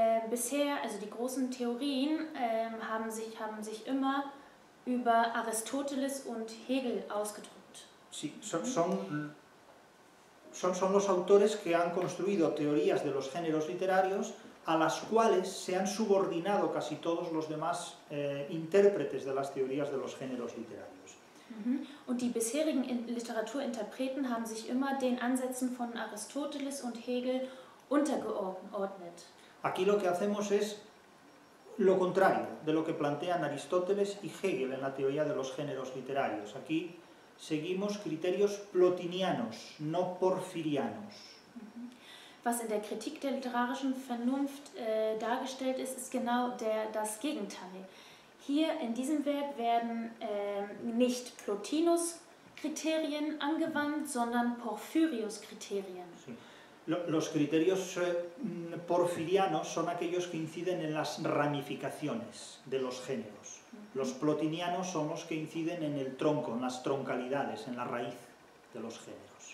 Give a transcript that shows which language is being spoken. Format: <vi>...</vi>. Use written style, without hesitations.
<de>Bisher, also die großen Theorien, haben sich immer über Aristoteles und Hegel ausgedrückt.</de> <es>Sí, son los autores que han construido teorías de los géneros literarios a las cuales se han subordinado casi todos los demás intérpretes de las teorías de los géneros literarios.</es> <de>Und die bisherigen Literaturinterpreten haben sich immer den Ansätzen von Aristoteles und Hegel untergeordnet.</de> <es>Aquí lo que hacemos es lo contrario de lo que plantean Aristóteles y Hegel en la teoría de los géneros literarios. Aquí seguimos criterios plotinianos, no porfirianos.</es> <de>Was in der Kritik der literarischen Vernunft dargestellt ist, ist genau das Gegenteil. Hier in diesem Werk werden nicht Plotinus-Kriterien angewandt, sondern Porphyrius-Kriterien.</de> <es>Sí. Los criterios porfirianos son aquellos que inciden en las ramificaciones de los géneros. Los plotinianos son los que inciden en el tronco, en las troncalidades, en la raíz de los géneros.</es>